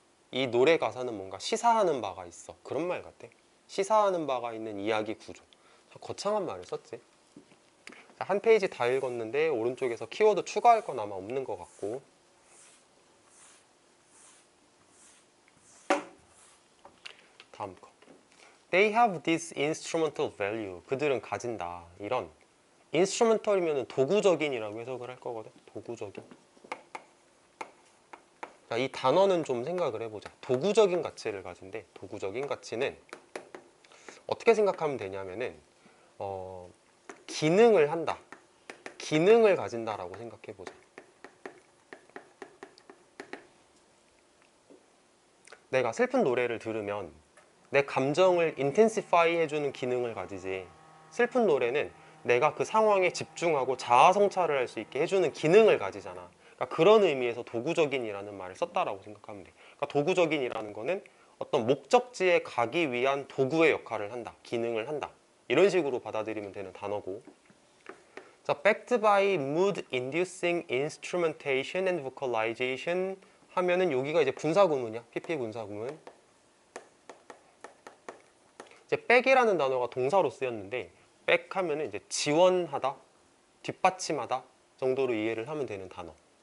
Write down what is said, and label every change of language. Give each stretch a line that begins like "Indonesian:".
Korean: 이 노래 가사는 뭔가 시사하는 바가 있어. 그런 말 같아. 시사하는 바가 있는 이야기 구조. 거창한 말을 썼지. 한 페이지 다 읽었는데 오른쪽에서 키워드 추가할 건 아마 없는 것 같고 다음 거.
English: They have this instrumental value.
Korean: 그들은 가진다. 이런 instrumental이면 도구적인이라고 해석을 할 거거든. 도구적인. 자, 이 단어는 좀 생각을 해보자. 도구적인 가치를 가진대. 도구적인 가치는 어떻게 생각하면 되냐면은 기능을 한다. 기능을 가진다라고 생각해보자. 내가 슬픈 노래를 들으면 내 감정을 intensify 해주는 기능을 가지지. 슬픈 노래는 내가 그 상황에 집중하고 자아성찰을 할수 있게 해주는 기능을 가지잖아. 그러니까 그런 의미에서 도구적인이라는 말을 썼다라고 생각하면 돼. 그러니까 도구적인이라는 거는 어떤 목적지에 가기 위한 도구의 역할을 한다. 기능을 한다. 이런 식으로 받아들이면 되는 단어고.
English: 자, backed by mood inducing instrumentation and vocalization
Korean: 하면은 여기가 이제 분사구문이야. PP 분사구문. 이제 back이라는 단어가 동사로 쓰였는데 back 하면은 이제 지원하다, 뒷받침하다 정도로 이해를 하면 되는 단어.